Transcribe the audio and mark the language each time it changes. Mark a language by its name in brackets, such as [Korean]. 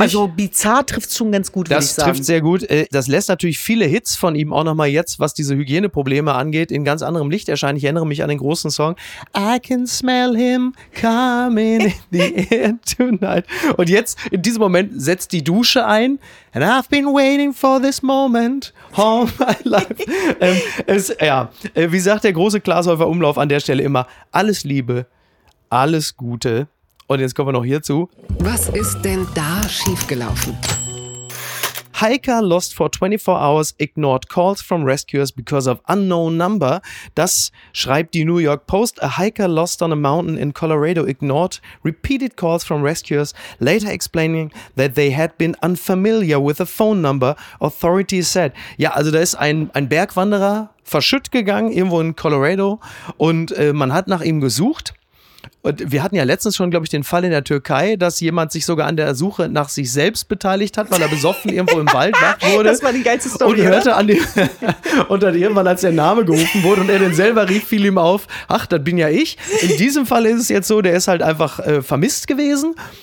[German] Also, bizarr trifft es schon ganz gut, würde ich sagen. Das trifft sehr gut. Das lässt natürlich viele Hits von ihm auch nochmal jetzt, was diese Hygieneprobleme angeht, in ganz anderem Licht erscheinen. Ich erinnere mich an den großen Song [English] I can smell him coming in the air tonight. [German] Und jetzt, in diesem Moment, setzt die Dusche ein. [English] And I've been waiting for this moment all my life. [German] Wie sagt der große Glashäufer Umlauf an der Stelle immer, alles Liebe, alles Gute. Und jetzt kommen wir noch hierzu. Was ist denn da schiefgelaufen? [English] Hiker lost for 24 hours, ignored calls from rescuers because of unknown number. [German] Das schreibt die New York Post. [English] A hiker lost on a mountain in Colorado, ignored repeated calls from rescuers, later explaining that they had been unfamiliar with a phone number, authorities said. [German] Ja, also da ist ein Bergwanderer verschütt gegangen, irgendwo in Colorado, und man hat nach ihm gesucht. Und wir hatten ja letztens schon, glaube ich, den Fall in der Türkei, dass jemand sich sogar an der Suche nach sich selbst beteiligt hat, weil er besoffen irgendwo im Wald wach wurde. Das war die geilste Story, und hörte an dem, und dann irgendwann, als der Name gerufen wurde und er den selber rief, fiel ihm auf, ach, das bin ja ich. In diesem Fall ist es jetzt so, der ist halt einfach vermisst gewesen.